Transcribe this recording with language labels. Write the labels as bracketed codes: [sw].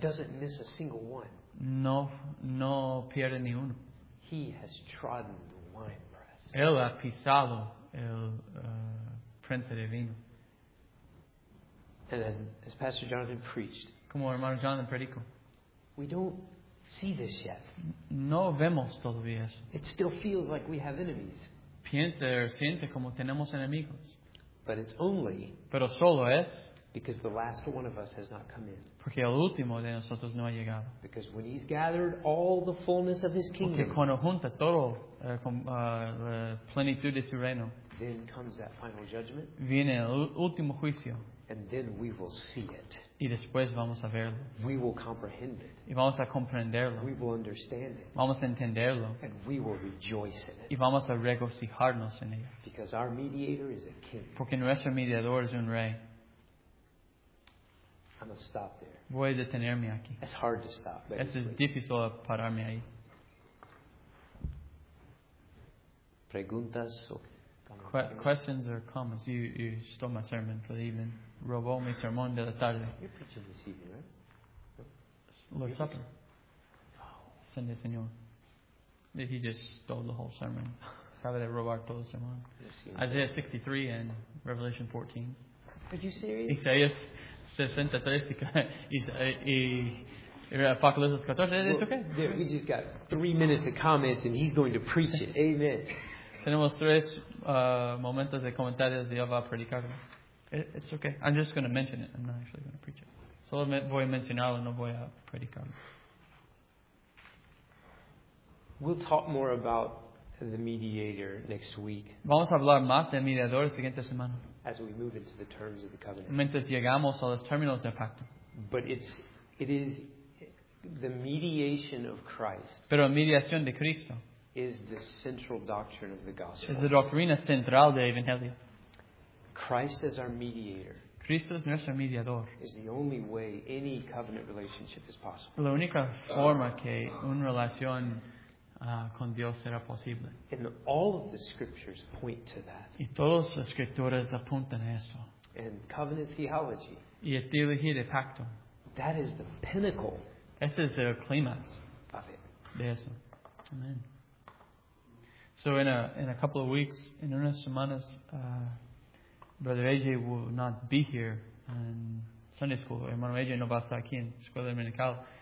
[en] Doesn't miss a single one. [es] No pierde ni uno. [en] He has trodden the winepress. [es] Él ha pisado el prensa de vino. [en] And as Pastor Jonathan preached, [es] como hermano Jonathan predicó, [en] we don't see this yet. [es] No vemos todavía eso. [en] It still feels like we have enemies. [es] Piensa o siente como tenemos enemigos. [en] But it's only [es] pero solo es [en] because the last one of us has not come in. [es] Porque el último de nosotros no ha llegado. [en] Because when he's gathered all the fullness of his kingdom, [es] porque cuando junta todo la plenitud de su reino, [en] then comes that final judgment. [es] Viene el último juicio. [en] And then we will see it. [es] Y después vamos a verlo. [en] We will comprehend it. [es] Y vamos a comprenderlo. [en] We will understand it. [es] Vamos a entenderlo. [en] And we will rejoice in it. [es] Y vamos a regocijarnos en ello. [en] Because our mediator is a king. [es] Porque nuestro mediador es un rey. [en] I'm going to stop there. [es] Voy a detenerme aquí. [en] It's hard to stop. [es] Es difícil pararme ahí. Preguntas o [en] questions or comments? You stole my sermon for the evening. [es] Robó mi sermón de la tarde. [en] You're preaching this evening, right? Lord's Supper. Send [es] el Señor. [en] He just stole the whole sermon. [es] Acaba de robar todo el sermón. [en] Isaiah 63 and Revelation 14. Are you serious? [es] Isaías 63 y Apocalipsis 14. [en] It's okay. Dude, we just got 3 minutes of comments and he's going to preach it. Amen. [es] Tenemos tres momentos de comentarios y yo voy a predicarlo. [en] It's okay. I'm just going to mention it. I'm not actually going to preach it. [es] Solo voy a mencionarlo, no voy a predicarlo. [en] We'll talk more about the mediator next week. [es] Vamos a hablar más del mediador la siguiente semana. [en] As we move into the terms of the covenant. [es] Mientras llegamos a los términos del pacto. [en] But it is the mediation of Christ. [es] Pero la mediación de Cristo. [en] Is the central doctrine of the gospel. [es] Es la doctrina central del evangelio. [en] Christ as our mediator. [es] Cristo es nuestro mediador. [en] Is the only way any covenant relationship is possible. [es] La única forma que una relación con Dios será posible. [en] And all of the scriptures point to that. [es] Y todas las escrituras apuntan a esto. [en] And covenant theology. [es] Y la teología de pacto. [en] That is the pinnacle. [es] Ese es el clímax [en] of it. [es] De eso. [en] Amen. So in a couple of weeks, in [es] unas semanas, [en] Brother AJ will not be here in Sunday school. [es] Hermano AJ no va a estar aquí en escuela dominical.